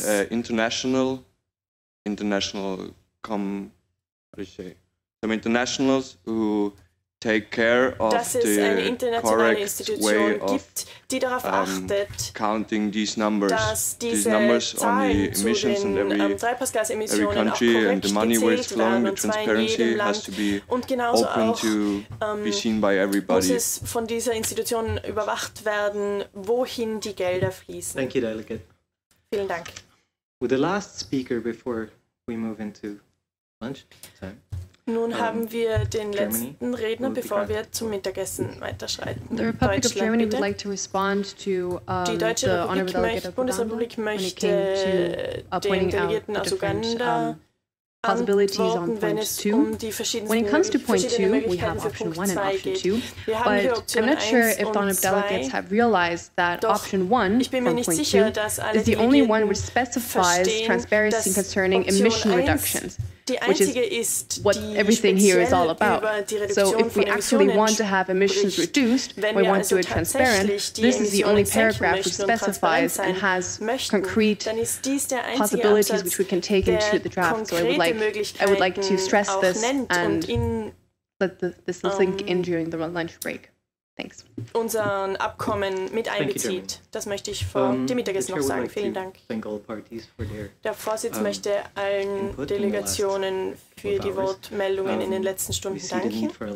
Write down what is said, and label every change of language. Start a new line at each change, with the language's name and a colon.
English: international some internationals who take care of the correct way of counting these numbers. These numbers on the emissions and every country and the money where it's flowing, the transparency has to be open to be seen by everybody.
German: Muss es von dieser Institution überwacht werden, wohin die Gelder fließen.
English: Thank you, Delegate.
German: Vielen Dank.
English: With the last speaker before we move into lunch time.
German: Nun haben wir den letzten Redner, bevor wir zum Mittagessen weiterschreiten.
English: The Republic of Germany would like to respond to
German: die Deutsche Bundesrepublik möchte den Delegierten aus Uganda
English: possibilities on point 2. When it comes to point 2, we have option 1 and option 2, but I'm not sure if the honorable delegates have realized that option 1 from point 2 is the only one which specifies transparency concerning emission reductions, which is what everything here is all about. So if we actually want to have emissions reduced, we want to do it transparent, this is the only paragraph which specifies and has concrete possibilities which we can take into the draft. So I would like to stress this and let this sink in during the lunch break. Thanks.
German: Unseren Abkommen mit einbezieht. Das möchte ich vor dem Mittagessen noch sagen. Vielen Dank. Der Vorsitz möchte allen Delegationen für die Wortmeldungen in den letzten Stunden danken.